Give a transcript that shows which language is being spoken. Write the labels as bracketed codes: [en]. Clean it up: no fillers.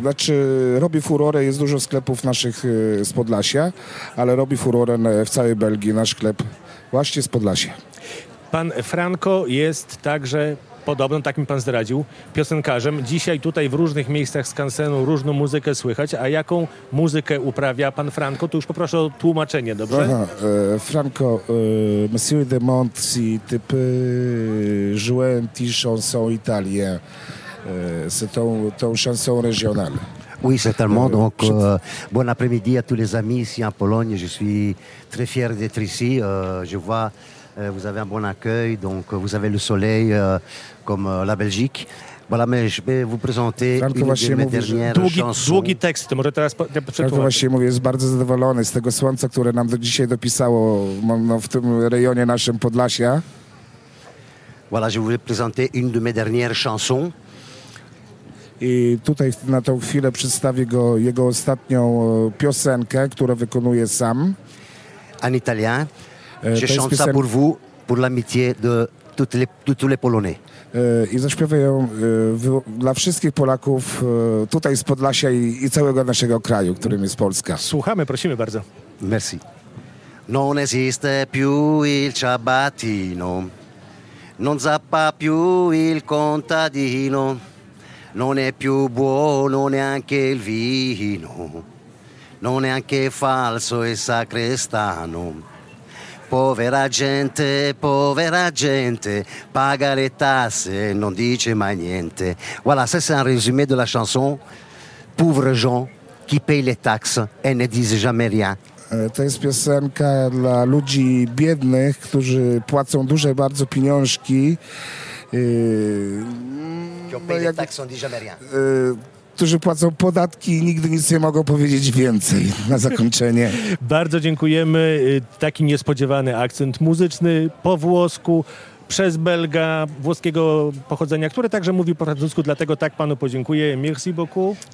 [pl] Znaczy robi furorę, jest dużo sklepów naszych z Podlasia, ale robi furorę w całej Belgii nasz chleb właśnie z Podlasia. Pan Franco jest także... Podobno, tak mi pan zdradził, piosenkarzem. Dzisiaj tutaj w różnych miejscach skansenu różną muzykę słychać. A jaką muzykę uprawia pan Franco? To już poproszę o tłumaczenie, dobrze? [fr] Aha, Franco, Monsieur de Monti, type Juenti chanson italien, c'est ton chanson régionale. Oui, certainement. Donc, bon après-midi à tous les amis ici en Pologne. Je suis très fier d'être ici. Je vois... Vous avez un bon accueil, donc vous avez le soleil comme la Belgique. Voilà, mais je vais vous présenter Franco une de mes dernières chansons. [pl] Długi tekst, to może teraz Franco właśnie mówi, jest bardzo zadowolony z tego słońca, które nam do dzisiaj dopisało no, w tym rejonie naszym Podlasia. [fr] Voilà, je voulais présenter une de mes dernières chansons. [pl] I tutaj na tą chwilę przedstawię go jego ostatnią piosenkę, którą wykonuje sam. [fr] En italien. Je chante ça pour vous, pour l'amitié de tous les Polonais. [pl] I zaśpiewam ją dla wszystkich Polaków tutaj z Podlasia i całego naszego kraju, którym jest Polska. Słuchamy, prosimy bardzo. [fr] Merci. [it] Non esiste più il ciabattino, non zappa più il contadino, non è più buono neanche il vino, non è anche falso e sacrestano. Povera gente, paga le tasse, non dice mai niente. [fr] Voilà, ça c'est un résumé de la chanson. Pauvres gens qui payent les taxes et ne disent jamais rien. [pl] To jest piosenka dla ludzi biednych, którzy płacą duże bardzo pieniążki. [fr] Qui payent les taxes, on dit jamais rien. [pl] którzy płacą podatki i nigdy nic nie mogą powiedzieć więcej na zakończenie. Bardzo dziękujemy. Taki niespodziewany akcent muzyczny po włosku, przez Belga włoskiego pochodzenia, który także mówi po francusku, dlatego tak panu podziękuję. [fr] Merci beaucoup.